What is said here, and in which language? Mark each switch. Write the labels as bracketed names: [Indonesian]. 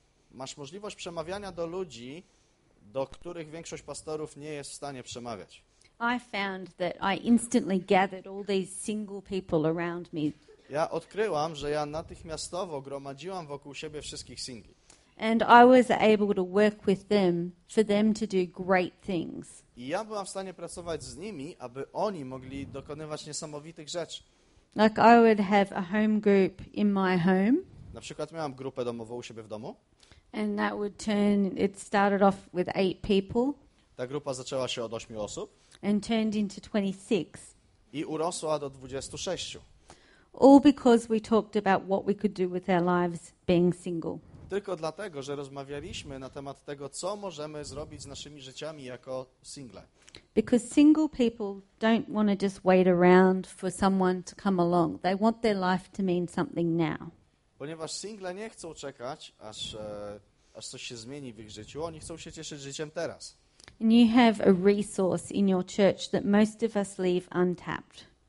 [Polish] Masz możliwość przemawiania do ludzi, do których większość pastorów nie jest w stanie przemawiać. [English] I found that I instantly gathered all these single people around me. [Polish] Ja odkryłam, że ja natychmiastowo gromadziłam wokół siebie wszystkich singli. [English] And I was able to work with them for them to do great things. [Polish] I ja byłam w stanie pracować z nimi, aby oni mogli dokonywać niesamowitych rzeczy. [English] Like I would have a home group in my home. [Polish] Na przykład miałam grupę domową u siebie w domu. [English] And that would turn, it started off with 8 people. [Polish] Ta grupa zaczęła się od 8 osób. [English] And turned into 26. [Polish] I urosła do 26. [English] All because we talked about what we could do with our lives being single. [Polish] Tylko dlatego, że rozmawialiśmy na temat tego, co możemy zrobić z naszymi życiami jako single. [English] Because single people don't want to just wait around for someone to come along. They want their life to mean something now. [Polish] Ponieważ single nie chcą czekać, aż coś się zmieni w ich życiu, oni chcą się cieszyć życiem teraz. [English] And you have a resource in your church that most of us leave untapped.